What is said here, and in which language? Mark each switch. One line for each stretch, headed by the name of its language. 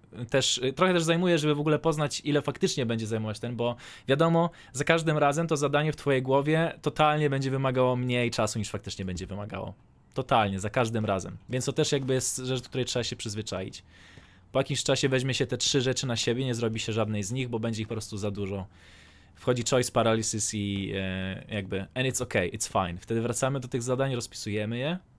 Polish: Też zajmuje, żeby w ogóle poznać, ile faktycznie będzie zajmować ten, bo wiadomo, za każdym razem to zadanie w twojej głowie totalnie będzie wymagało mniej czasu, niż faktycznie będzie wymagało. Totalnie, za każdym razem. Więc to też jakby jest rzecz, do której trzeba się przyzwyczaić. Po jakimś czasie weźmie się te trzy rzeczy na siebie, nie zrobi się żadnej z nich, bo będzie ich po prostu za dużo. Wchodzi
English: choice paralysis
Polish: i jakby,
English: and it's okay, it's fine.
Polish: Wtedy wracamy do tych zadań, rozpisujemy je.